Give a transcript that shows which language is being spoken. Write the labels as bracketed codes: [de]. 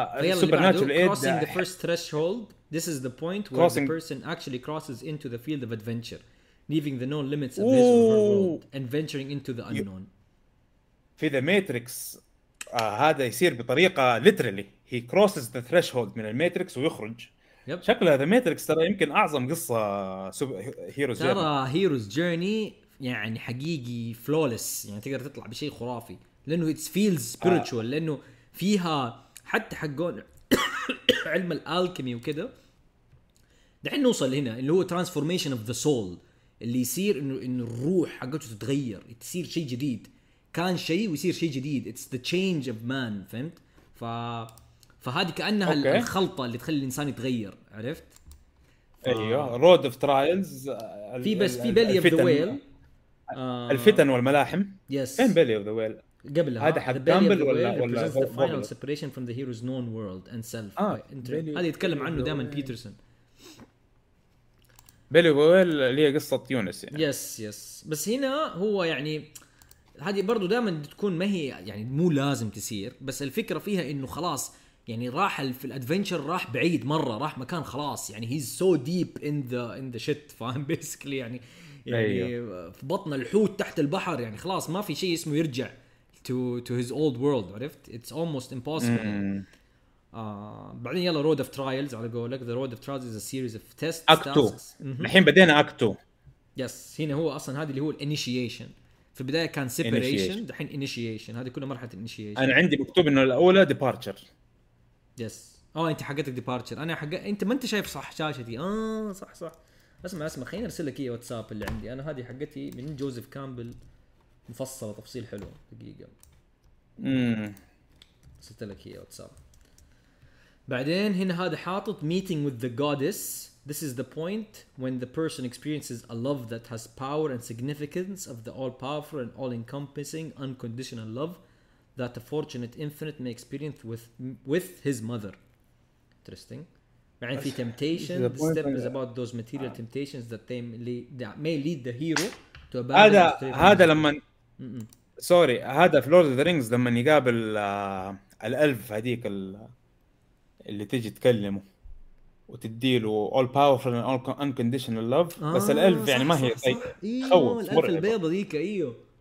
[en] السوبر natural aid crossing the first threshold this is the point where crossing. The person actually crosses into the field of adventure leaving the known limits of his world and venturing into the unknown [ar] في the matrix هذا يصير بطريقه [en] literally he crosses the threshold [ar] من الماتريكس ويخرج [en] yep. [ar] شكله the matrix ترى يمكن اعظم قصه هيروز ترى هيروز جيرني يعني حقيقي فلولس يعني تقدر تطلع بشيء خرافي لانه [en] it feels spiritual [ar] لانه فيها حتى حقون علم الالكيمي وكذا دحين نوصل هنا اللي هو [en] transformation of the soul [ar] اللي يصير انه الروح حقته تتغير تصير شيء جديد كان شيء ويصير شيء جديد [en] it's the change of man [ar] فهمت فهذه كانها [en] okay. [ar] الخلطه اللي تخلي الانسان يتغير عرفت ايوه [en] road of trials [ar] في بس في [en] belly of the whale [ar] الفتن والملاحم [en] yes [ar] فين belly of the whale قبلها هذا حق دامبل ولا [en] the final separation from the hero's known world and self [ar] هذا يتكلم عنه دائما بيترسون بيلي بويل اللي هي قصه يونس يعني يس يس بس هنا هو يعني هذه برضو دائما تكون ما هي يعني مو لازم تصير بس الفكره فيها انه خلاص يعني راح في الادفنتشر راح بعيد مره راح مكان خلاص يعني [en] he's so deep in the shit [ar] فاهم بيسكلي يعني في بطن الحوت تحت البحر يعني خلاص ما في شيء اسمه يرجع [en] to his old world [ar] عرفت [en] it's almost impossible [ar] بعدين يلا [en] road of trials [ar] على قولك [en] the road of trials is a series of tests [ar] اكتو الحين بدينا اكتو يس هنا هو اصلا هذا اللي هو الانيشيشن. في البدايه كان سيبريشن، دحين انيشيشن، هذه كلها مرحله انيشيشن. انا عندي مكتوب انه الاولى ديبارتشر. يس اه انت حقتك ديبارتشر، انا حق انت ما انت شايف صح شاشتي. اه صح صح، اسمع اسمع خليني ارسل لك ايه واتساب اللي عندي انا، هذه حقتي من جوزيف كامبل مفصله تفصيل حلو. دقيقه ارسلت لك ايه واتساب. بعدين هنا هذا حاطط [en] meeting with the goddess. This is the point when the person experiences a love that has power and significance of the all-powerful and all-encompassing unconditional love that a fortunate infinite may experience with his mother. Interesting. [ar] يعني في temptation. [en] This step is about those material temptations that they may lead the hero to abandon. [ar] هذا لما [en] sorry [ar] هذا في Lord of the Rings لما يقابل الألف هذيك اللي تيجي تكلمه وتديله [en] all powerful and all unconditional love. [ar] آه بس الالف يعني ما هي صح صح صح. ايوه الالف البيضة ذيك. ايوه